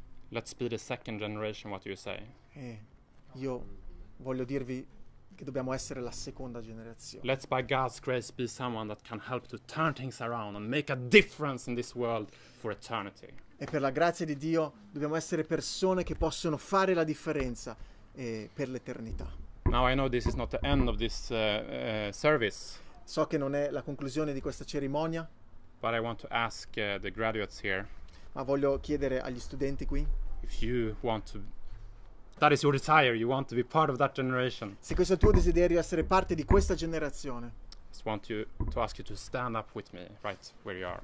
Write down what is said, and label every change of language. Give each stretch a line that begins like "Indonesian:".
English: Let's be the second generation, what do you say?
Italian: Io voglio dirvi che dobbiamo essere la seconda generazione.
English: Let's by God's grace be someone that can help to turn things around and make a difference in this world for eternity.
Italian: E per la grazia di Dio dobbiamo essere persone che possono fare la differenza per l'eternità.
English: Now I know this is not the end of this service.
Italian: So che non è la conclusione di questa cerimonia.
English: But I want to ask the graduates here.
Italian: ma voglio chiedere agli studenti qui.
English: If you want to that is your desire, you want to be part of that generation.
Italian: Se questo è il tuo desiderio, essere parte di questa generazione.
English: I just want you to ask you to stand up with me right where you are.